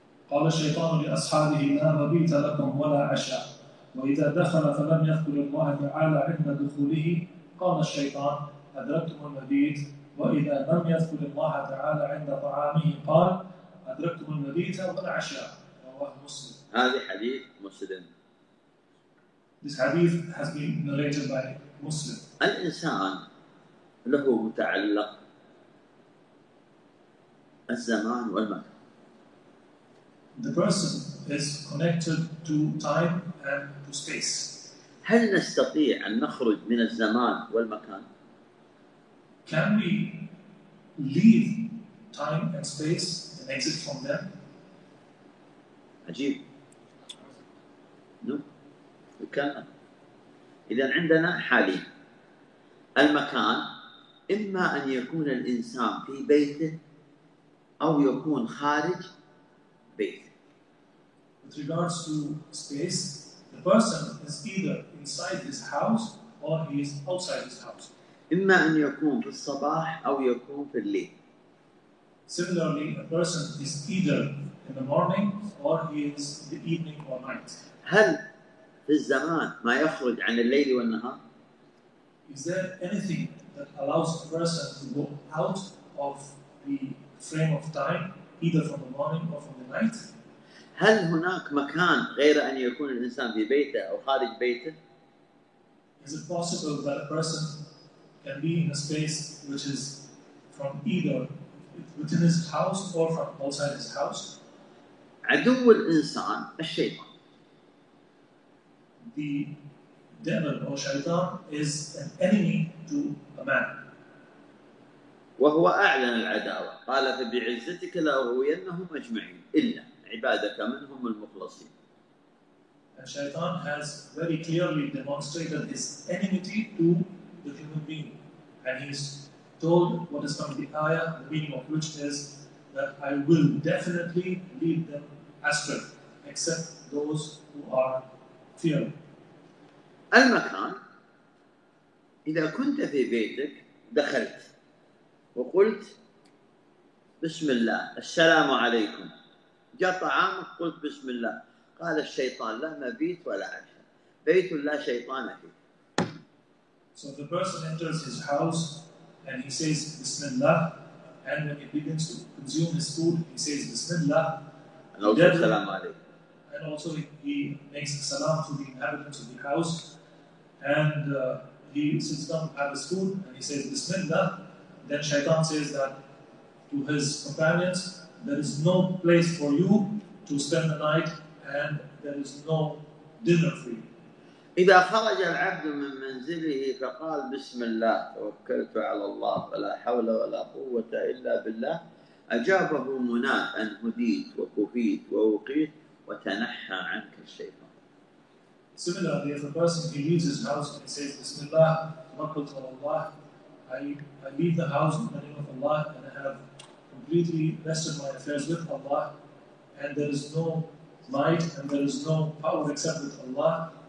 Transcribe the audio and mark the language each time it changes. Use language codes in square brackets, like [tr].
[ar] قال الشيطان لأصحابه لا مبيت لكم ولا عشاء. وإذا دخل فلم يذكر الله تعالى عند دخوله قال الشيطان أدركتم المبيت. وإذا لم يذكر الله تعالى عند طعامه قال أدركتم المبيت ولا عشاء. رواه مسلم. هذا حديث مسلم. [en] This hadith has been narrated by Muslim. [ar] الإنسان له متعلق الزمان والمكان. [en] The person is connected to time and to space. [ar] هل نستطيع أن نخرج من الزمان والمكان؟ [en] Can we leave time and space and exit from them? [ar] عجيب. [en] No. [ar] كان. إذن عندنا حاليا المكان إما أن يكون الإنسان في بيته أو يكون خارج بيته. [en] With regards to space, the person is either inside his house or he is outside his house. [ar] إما أن يكون في الصباح أو يكون في الليل. [en] Similarly, a person is either in the morning or he is in the evening or night. [ar] هل في الزمان ما يخرج عن الليل والنهار؟ [en] Is there anything that allows a person to go out of the frame of time, either from the morning or from the night? [ar] هل هناك مكان غير أن يكون الإنسان في بيته أو خارج بيته؟ [en] Is it possible that a person can be in a space which is from either within his house or from outside his house? [ar] عدو الإنسان الشيطان. [en] The devil or shaitan is an enemy to a man. [ar] وهو أعلن العداوة. قال فبعزتك لا أغوينهم أجمعين إلا عبادك منهم المخلصين. [en] And shaitan has very clearly demonstrated his enmity to the human being. And he's told what is from the ayah, the meaning of which is that I will definitely lead them astray, except those who are fearful. [ar] المكان إذا كنت في بيتك دخلت وقلت بسم الله السلام عليكم جاء طعامك قلت بسم الله قال الشيطان لا مبيت ولا عشاء بيت لا شيطان فيه. [en] So the person enters his house and he says Bismillah and when he begins to consume his food he says Bismillah [ar] and also السلام عليكم [en] and also he makes a salam to the inhabitants of the house and he sits down to have his food and he says Bismillah. Then shaitan says that to his companions, there is no place for you to spend the night and there is no dinner for you. [ar] إذا خرج العبد من منزله فقال بسم الله توكلت على الله ولا حول ولا قوة إلا بالله أجابه مناد أن هديت وكفيت ووقيت وتنحى عنك الشيطان. [en] Similarly, if a person he leaves his house and he says [ar] بسم الله توكلت على الله [en] I leave the house in the name of Allah and I have completely rested my affairs with Allah and there is no might and there is no power except with Allah.